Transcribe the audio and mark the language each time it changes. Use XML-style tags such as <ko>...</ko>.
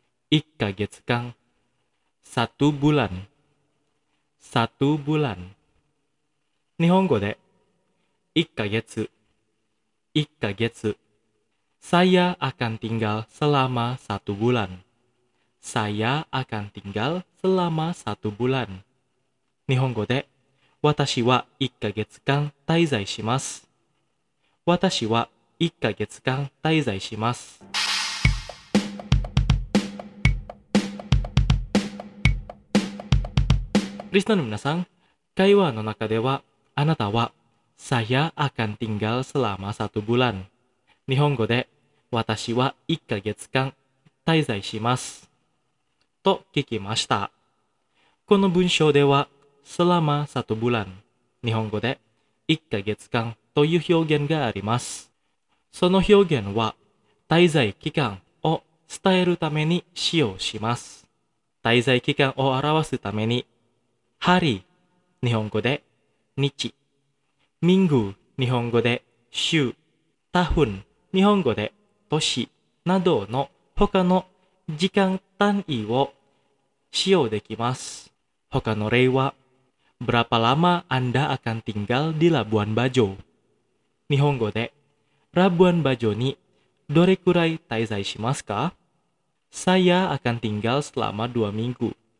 <id>1ヶ月間.Satu bulan. Satu bulan.</id> <ja>Nihongo de 1ヶ月. 1ヶ月.</ja> <id>Saya akan tinggal selama satu bulan. Saya akan tinggal selama satu bulan.</id> <ja>Nihongo de 私は1ヶ月間滞在します。私は1ヶ月間滞在します。リスナーの皆さん、会話の中ではあなたは</ja> <id>Saya akan tinggal selama satu bulan。</id> <ja>日本語で私は1ヶ月間滞在します。と聞きました。この文章では</ja> <id>selama satu bulan</id> <ja>日本語で1ヶ月間という表現があります。その表現は滞在期間を伝えるために使用します。滞在期間を表すために hari 日本語で日、 minggu 日本語で週、 tahun 日本語で年などの他の時間単位を使用できます。他の例は</ja> <id>berapa lama Anda akan tinggal di Labuan Bajo?</id> <ja>Nihongo de Labuan Bajo ni dore kurai taizai shimasu ka?</ja> <id>Saya akan tinggal selama 2 minggu.</id>